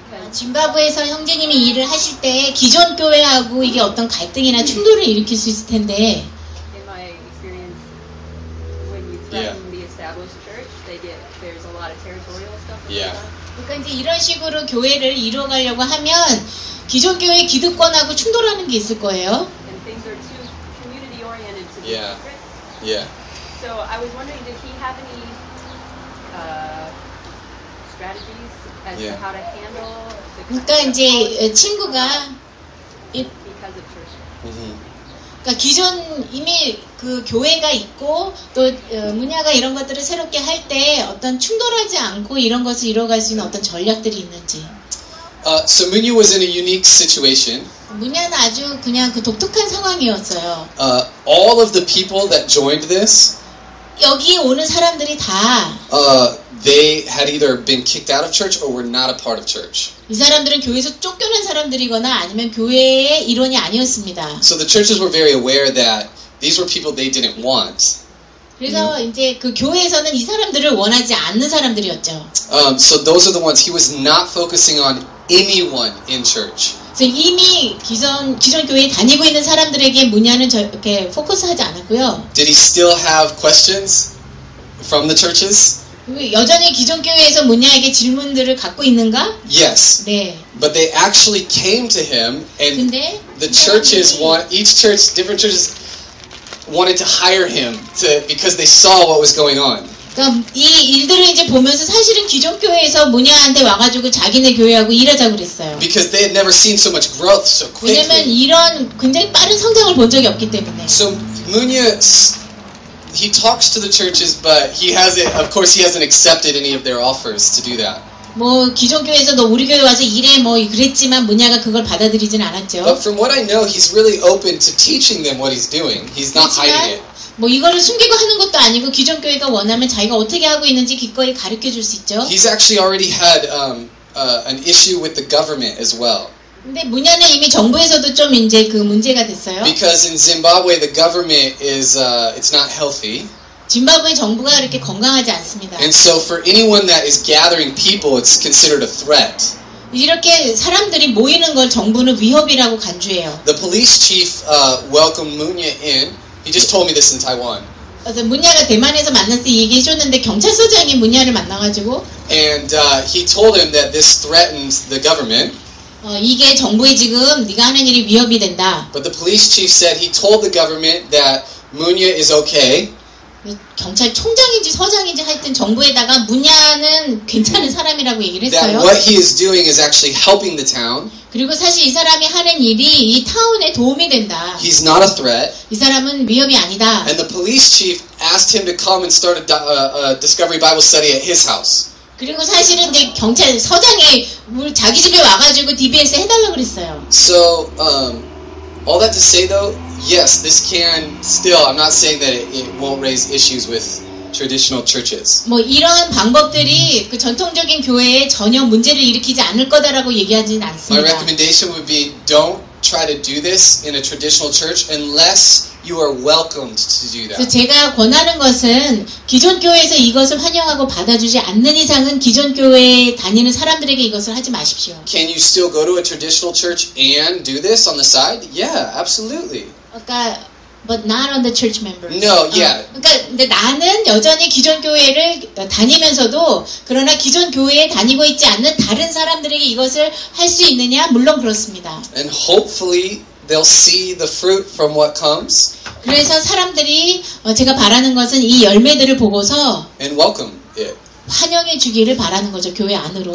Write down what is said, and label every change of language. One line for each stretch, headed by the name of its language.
Korean: 짐바브웨에서 형제님이 일을 하실 때 기존 교회하고 이게 어떤 갈등이나 충돌을 일으킬 수 있을 텐데.
English: In my experience, when you threaten the established church, they get there's a lot of territorial stuff. Yeah.
Korean: 그러니까 이제 이런 식으로 교회를 이루어가려고 하면 기존 교회 기득권하고 충돌하는 게 있을 거예요.
English: And things are too community oriented. Yeah. Yeah. So I was wondering, did he have any strategies? Yeah.
Korean: 그러니까 이제 친구가 그러니까 기존 이미 그 교회가 있고 또 문화가 이런 것들을 새롭게 할 때 어떤 충돌하지 않고 이런 것을 이뤄갈 수 있는 어떤 전략들이 있는지.
English: So Munya was in a unique situation.
Korean: 문야는 아주 그냥 그 독특한 상황이었어요.
English: All of the people that joined this.
Korean: 여기 오는 사람들이 다
English: they had either been kicked out of church or were not a part of church.
Korean: 이 사람들은 교회에서 쫓겨난 사람들이거나 아니면 교회의 일원이 아니었습니다.
English: So the churches were very aware that these were people they didn't want.
Korean: 그래서 이제 그 교회에서는 이 사람들을 원하지 않는 사람들이었죠.
English: So those are the ones he was not focusing on anyone in church.
Korean: 이미 기존 교회 다니고 있는 사람들에게 문야는 저렇게 포커스하지 않았고요.
English: Did he still have questions from the churches?
Korean: 여전히 기존 교회에서 문야에게 질문들을 갖고 있는가?
English: Yes.
Korean: 네.
English: But they actually came to him, and
Korean: 근데,
English: the churches want each church, different churches wanted to hire him to because they saw what was going on.
Korean: 이 일들을 이제 보면서 사실은 기존 교회에서 문야한테 와가지고 자기네 교회하고 일하자고 그랬어요.
English: Because they had never seen so much growth so quickly.
Korean: 왜냐면 이런 굉장히 빠른 성장을 본 적이 없기 때문에.
English: So Munya, he talks to the churches, but he hasn't, of course, he hasn't accepted any of their offers to do that.
Korean: 뭐 기존 교회에서 너 우리 교회 와서 일해 뭐 그랬지만 문야가 그걸 받아들이진 않았죠.
English: But from what I know, he's really open to teaching them what he's doing. He's not hiding it.
Korean: 뭐 이거를 숨기고 하는 것도 아니고 기존 교회가 원하면 자기가 어떻게 하고 있는지 기꺼이 가르쳐 줄 수 있죠.
English: He's actually already had an issue with the government as well.
Korean: 근데 문야는 이미 정부에서도 좀 이제 그 문제가 됐어요.
English: Because in Zimbabwe the government is it's not healthy.
Korean: 짐바브웨 정부가 이렇게 건강하지 않습니다.
English: And so for anyone that is gathering people it's considered a threat.
Korean: 이렇게 사람들이 모이는 걸 정부는 위협이라고 간주해요.
English: The police chief welcomed Munya in. He just told me this in Taiwan.
Korean: 그래서 문야가 대만에서 만났을 때 얘기해줬는데 경찰서장이 문야를 만나가지고
English: And he told him that this threatens the government.
Korean: 이게 정부에 지금 네가 하는 일이 위협이 된다.
English: But the police chief said he told the government that Munya is okay.
Korean: 경찰 총장인지 서장인지 하여튼 정부에다가 문야는 괜찮은 사람이라고 얘기를 했어요.
English: That what he is doing is actually helping the town.
Korean: 그리고 사실 이 사람이 하는 일이 이 타운에 도움이 된다.
English: He's not a threat.
Korean: 이 사람은 위협이 아니다.
English: And the police chief asked him to come and start a discovery Bible study at his house.
Korean: 그리고 사실은 이제 경찰 서장이 우리 자기 집에 와가지고 DBS 해달라고 그랬어요.
English: So all that to say though, yes, this can still. I'm not saying that it won't raise issues with traditional churches.
Korean: 뭐 이런 방법들이 그 전통적인 교회에 전혀 문제를 일으키지 않을 거다라고 얘기하지는 않습니다.
English: My recommendation would be don't try to do this in a traditional church unless you are welcomed to do that.
Korean: 제가 권하는 것은 기존 교회에서 이것을 환영하고 받아주지 않는 이상은 기존 교회에 다니는 사람들에게 이것을 하지 마십시오.
English: Can you still go to a traditional church and do this on the side? Yeah, absolutely. 그러니까 But not on the church members. No, yeah.
Korean: 그러니까 근데 나는 여전히 기존 교회를 다니면서도 그러나 기존 교회에 다니고 있지 않는 다른 사람들에게 이것을 할 수 있느냐? 물론 그렇습니다.
English: And hopefully they'll see the fruit from what comes.
Korean: 그래서 사람들이 제가 바라는 것은 이 열매들을 보고서
English: And welcome it.
Korean: 환영해 주기를 바라는 거죠, 교회 안으로.